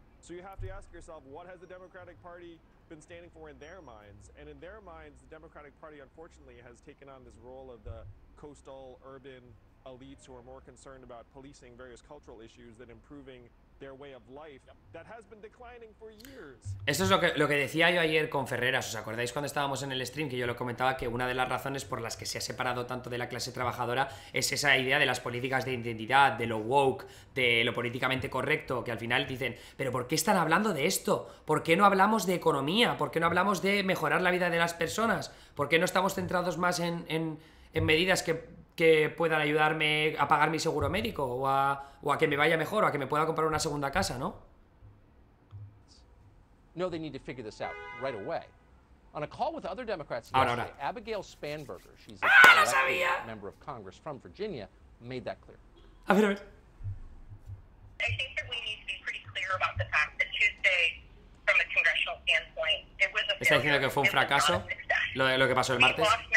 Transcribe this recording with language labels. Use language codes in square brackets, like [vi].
[en] So you have to ask yourself, what has the Democratic Party been standing for in their minds? And in their minds, the Democratic Party, unfortunately, has taken on this role of the coastal urban elites who are more concerned about policing various cultural issues than improving their way of life that has been declining for years. [es] Esto es lo que decía yo ayer con Ferreras. ¿Os acordáis cuando estábamos en el stream que yo lo comentaba que una de las razones por las que se ha separado tanto de la clase trabajadora es esa idea de las políticas de identidad, de lo woke, de lo políticamente correcto, que al final dicen, pero ¿por qué están hablando de esto? ¿Por qué no hablamos de economía? ¿Por qué no hablamos de mejorar la vida de las personas? ¿Por qué no estamos centrados más en medidas que puedan ayudarme a pagar mi seguro médico o a que me vaya mejor o a que me pueda comprar una segunda casa, ¿no? [en] No, they need to figure this out right away. On a call with other Democrats yesterday, Abigail Spanberger, she's a member of Congress from Virginia, made that clear. [es] A ver, a ver. [en] I think that we need to be pretty clear about the fact that Tuesday, from a congressional standpoint, it was a failure. [es] Fue un fracaso lo que pasó el martes.